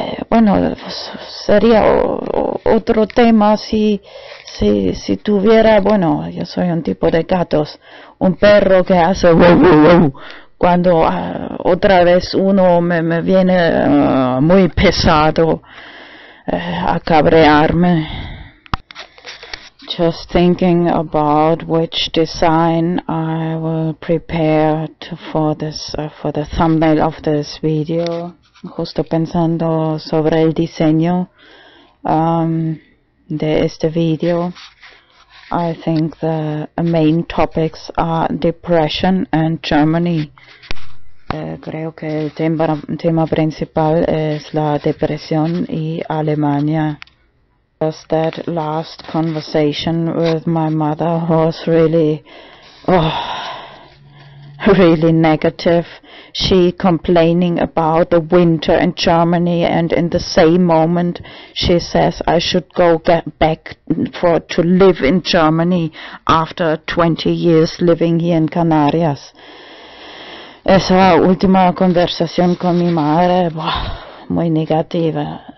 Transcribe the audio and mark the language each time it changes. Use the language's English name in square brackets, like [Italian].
[Spanish] Bueno, sería otro tema si tuviera, bueno, yo soy un tipo de gatos, un perro que hace wow, wow, wow, cuando otra vez uno me viene muy pesado a cabrearme. [English] Just thinking about which design I will prepare for the thumbnail of this video. [Spanish] Justo pensando sobre el diseño de este video. [English] I think the main topics are depression and Germany. [Spanish] Creo que el tema principal es la depresión y Alemania. [English] Just that last conversation with my mother was really, oh, really negative. She complaining about the winter in Germany, and in the same moment she says I should go get back to live in Germany after 20 years living here in Canarias. [Spanish] Esa última conversación con mi madre, oh, muy negativa.